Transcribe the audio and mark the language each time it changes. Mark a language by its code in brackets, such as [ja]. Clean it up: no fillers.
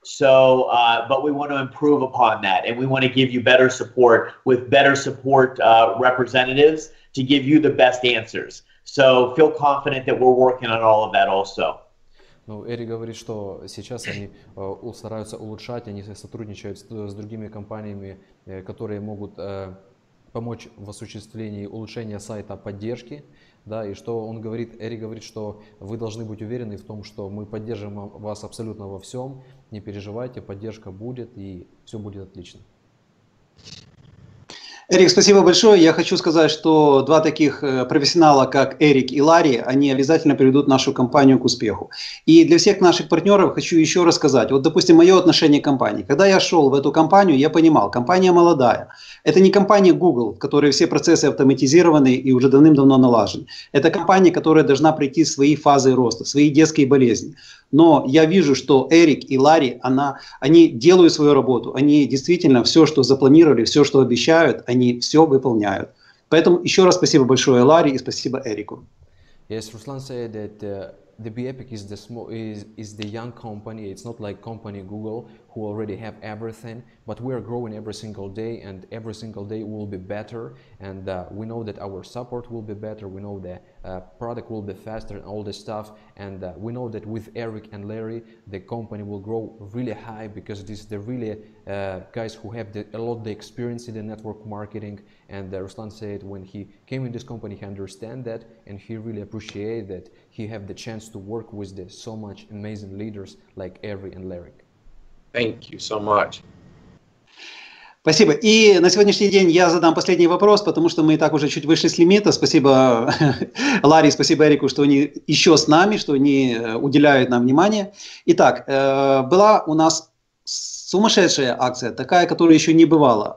[en] So, but we want to improve upon that, and we want to give you better support with better support representatives to give you the best answers. So feel confident that we're working on all of that also. [ru] Ну, Эрик говорит, что сейчас они стараются улучшать, они сотрудничают с другими компаниями, которые могут помочь в осуществлении улучшения сайта поддержки. Да, и что он говорит, Эрик говорит, что вы должны быть уверены в том, что мы поддержим вас абсолютно во всем. Не переживайте, поддержка будет, и все будет отлично. Эрик, спасибо большое. Я хочу сказать, что два таких профессионала, как Эрик и Ларри, они обязательно приведут нашу компанию к успеху. И для всех наших партнеров хочу еще раз сказать. Вот, допустим, мое отношение к компании. Когда я шел в эту компанию, я понимал, компания молодая. Это не компания Google, в которой все процессы автоматизированы и уже давным-давно налажены. Это компания, которая должна пройти свои фазы роста, свои детские болезни. Но я вижу, что Эрик и Ларри, они делают свою работу. Они действительно все, что запланировали, все, что обещают, они все выполняют. Поэтому еще раз спасибо большое Ларри и спасибо Эрику. [en] Yes, Ruslan said that the BEPIC is the small, is the young company. It's not like company Google, who already have everything. But we are growing every single day, and every single day will be better. And we know that our support will be better. We know that product will be faster and all this stuff. And we know that with Eric and Larry, the company will grow really high because this is the really guys who have a lot of the experience in the network marketing. And Ruslan said when he came in this company, he understand that and he really appreciate that he have the chance to work with the so much amazing leaders like Eric and Larry. Thank you so much. [ru] Спасибо. И на сегодняшний день я задам последний вопрос, потому что мы и так уже чуть вышли с лимита. Спасибо Ларе, спасибо Эрику, что они еще с нами, что они уделяют нам внимание. Итак, была у нас сумасшедшая акция, такая, которая еще не бывала.